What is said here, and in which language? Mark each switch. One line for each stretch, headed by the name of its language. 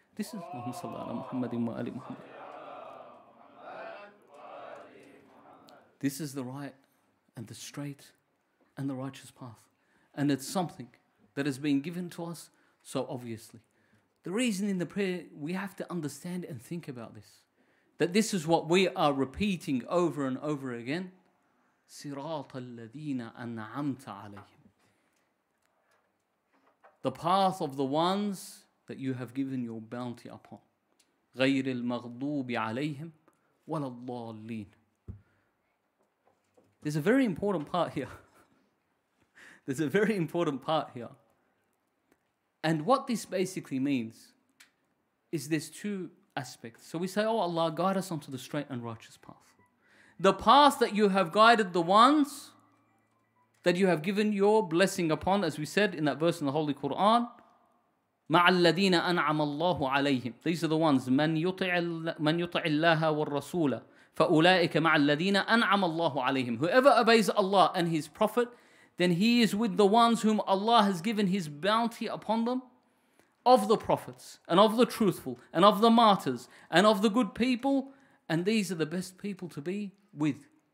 English: This is Muhammad
Arabic: صلى الله عليه محمد و آل محمد.
English: This is the right and the straight and the righteous path. And it's something that has been given to us so obviously. The reason in the prayer, we have to understand and think about this. That this is what we are repeating over and over again.
Arabic: صراط الذين أنعمت عليهم.
English: The path of the ones that you have given your bounty upon.
Arabic: غَيْرِ الْمَغْضُوبِ عَلَيْهِمْ وَلَى الضَّالِّينَ.
English: There's a very important part here. There's a very important part here. And what this basically means is there's two aspects. So we say, oh Allah, guide us onto the straight and righteous path. The path that you have guided the ones that you have given your blessing upon, as we said in that verse in the Holy Quran,
Arabic: مع الذين أنعم الله عليهم.
English: These are the ones
Arabic: من يطع الله والرسول فأولئك مع الذين أنعم الله عليهم.
English: Whoever obeys Allah and His Prophet, then he is with the ones whom Allah has given His bounty upon them, of the prophets and of the truthful and of the martyrs and of the good people, and these are the best people to be with.